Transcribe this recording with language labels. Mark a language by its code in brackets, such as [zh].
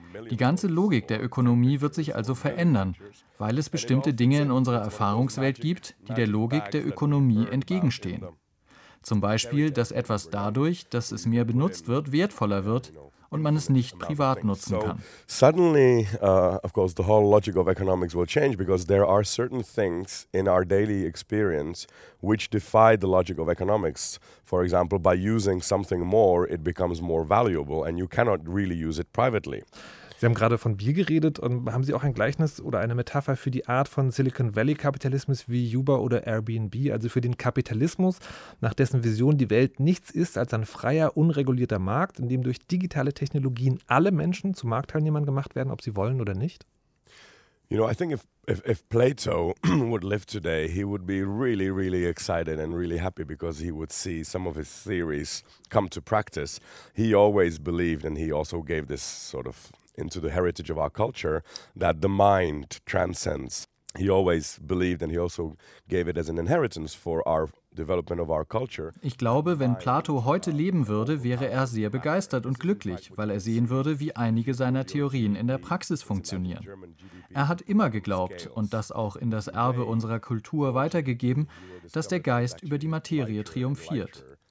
[de] Die ganze Logik der Ökonomie wird sich also verändern, weil es bestimmte Dinge in unserer Erfahrungswelt gibt, die der Logik der Ökonomie entgegenstehen. Zum Beispiel, dass etwas dadurch, dass es mehr benutzt wird, wertvoller wird, und man es nicht privat nutzen kann. [en] Suddenly, of course, the whole logic of economics will change because there are certain things in our daily experience which defy the logic of economics. For example, by using something more, it becomes more valuable and you cannot really use it privately. [de] Sie haben gerade von Bier geredet und haben Sie auch ein Gleichnis oder eine Metapher für die Art von Silicon Valley-Kapitalismus wie Uber oder Airbnb, also für den Kapitalismus, nach dessen Vision die Welt nichts ist als ein freier, unregulierter Markt, in dem durch digitale Technologien alle Menschen zu Marktteilnehmern gemacht werden, ob sie wollen oder nicht? [en] You know, I think if Plato would live today, he would be really, really excited and really happy because he would see some of his theories come to practice. He always believed and he also gave this sort of into the heritage of our culture, that the mind transcends. He always believed and he also gave it as an inheritance for our development of our culture. [de] Ich glaube, wenn Plato heute leben würde, wäre er sehr begeistert und glücklich, weil er sehen würde, wie einige seiner Theorien in der Praxis funktionieren. Er hat immer geglaubt und das auch in das Erbe unserer Kultur weitergegeben, dass der Geist über die Materie triumphiert.